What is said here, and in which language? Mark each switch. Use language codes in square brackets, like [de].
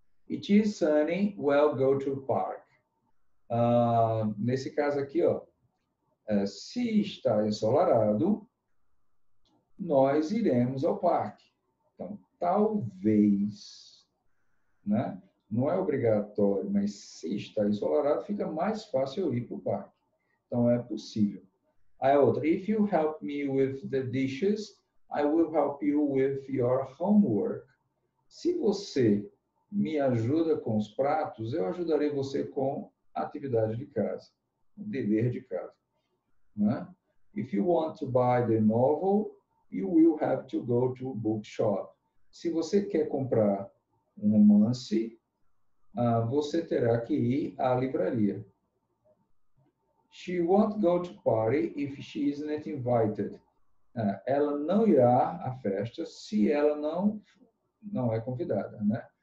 [en] It is sunny, well, go to park. [pt] Nesse caso aqui, ó, se está ensolarado, nós iremos ao parque. Então, talvez, né? Não é obrigatório, mas se está ensolarado, fica mais fácil eu ir para o parque. Então, é possível. Aí a outra, [en] if you help me with the dishes, I will help you with your homework. [pt] Se você me ajuda com os pratos, eu ajudarei você com a atividade de casa, o dever de casa. Né? [en] If you want to buy the novel, you will have to go to a bookshop. [pt] Se você quer comprar um romance, você terá que ir à livraria. [en] She won't go to party if she isn't invited. [pt] Ela não irá à festa se ela não é convidada, né?